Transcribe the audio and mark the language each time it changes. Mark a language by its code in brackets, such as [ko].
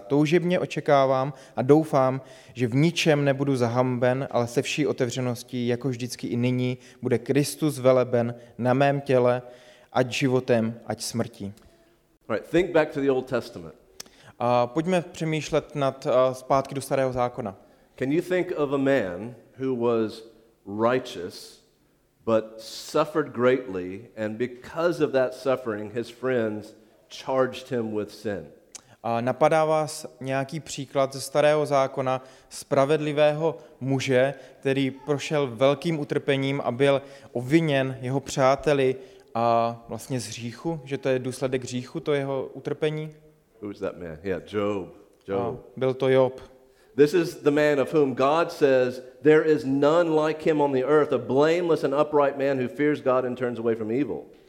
[cs] Toužebně očekávám a doufám, že v ničem nebudu zahamben, ale se vší otevřeností, jako vždycky i nyní, bude Kristus veleben na mém těle, ať životem, ať smrtí. [en] Right, think back to the Old Testament. [cs] Pojďme přemýšlet nad zpátky do Starého zákona. [en] Can you think of a man who was righteous but suffered greatly, and because of that suffering his friends charged him with sin? [cs] Napadá vás nějaký příklad ze Starého zákona spravedlivého muže, který prošel velkým utrpením a byl obviněn jeho přáteli a vlastně z hříchu, že to je důsledek hříchu, to jeho utrpení? [en] Who's that man? Yeah, Job. [cs] Byl to Job. [en] This is the man of whom God says there is none like him on the earth, a blameless and upright man who fears God and turns away from evil.